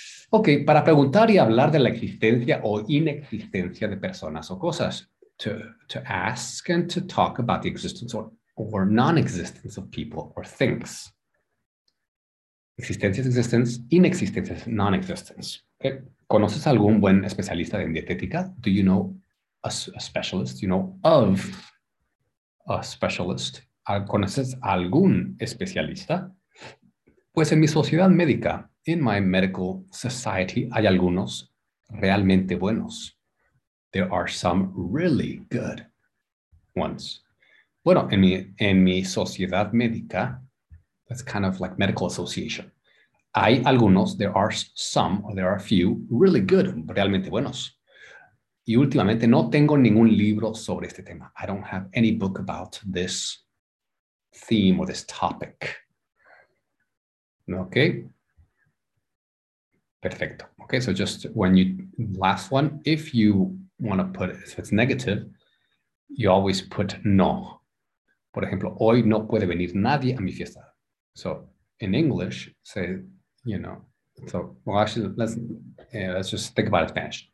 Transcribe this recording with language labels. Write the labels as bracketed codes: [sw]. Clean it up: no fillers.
[es] Okay, para preguntar y hablar de la existencia o inexistencia de personas o cosas. [en] To ask and to talk about the existence or non-existence of people or things. [es] Existencia es existence, inexistencia es non-existence. Okay. ¿Conoces algún buen especialista en dietética? [en] Do you know a specialist? Do you know of a specialist? [es] ¿Conoces algún especialista? Pues en mi sociedad médica, [en] in my medical society, [es] hay algunos realmente buenos. [en] There are some really good ones. [es] Bueno, en mi sociedad médica, [en] that's kind of like medical association. [es] Hay algunos, [en] there are some, or there are a few, really good, [es] realmente buenos. Y últimamente no tengo ningún libro sobre este tema. [en] I don't have any book about this theme or this topic. Okay. Perfecto. Okay, so just when you, last one, if you want to put it, if it's negative, you always put no. [es] Por ejemplo, hoy no puede venir nadie a mi fiesta. [en] So in English, say, you know, so well, actually, let's just think about it in Spanish.